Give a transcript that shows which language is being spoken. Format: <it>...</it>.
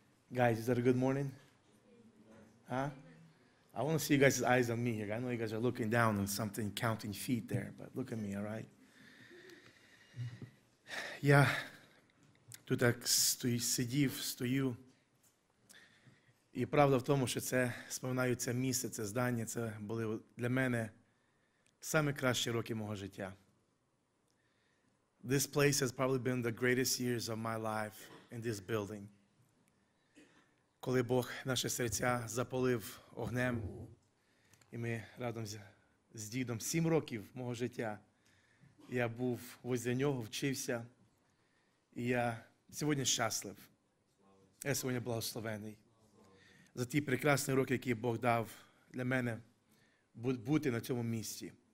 <en>Guys, is that a good morning? Huh? I want to see you guys' eyes on me here. I know you guys are looking down on something, counting feet there, but look at me, all right?</en> <uk>Я тут так сидів, стою, і правда в тому, що це, вспоминаю, це місце, це здання, це були для мене самі кращі роки мого життя.</uk> <en>This place has probably been the greatest years of my life in this building.</en> <uk>Коли Бог наше серця запалив огнем, і ми разом з дідом 7 років мого життя, я був возле нього, вчився, і я сьогодні щаслив. Я сьогодні благословений за ті прекрасні роки, які Бог дав для мене бути на цьому місці.</uk>